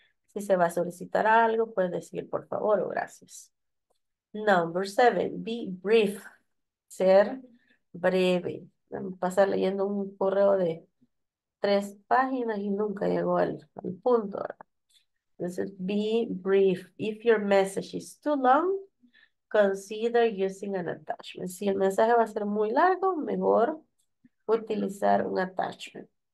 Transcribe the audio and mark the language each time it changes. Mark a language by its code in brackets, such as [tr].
[es] Si se va a solicitar algo, puedes decir por favor o gracias. [en] Number seven, be brief. [es] Ser breve. Pasar leyendo un correo de 3 páginas y nunca llegó al punto, ¿verdad? Entonces, [en] be brief. If your message is too long, consider using an attachment. [es] Si el mensaje va a ser muy largo, mejor utilizar un attachment.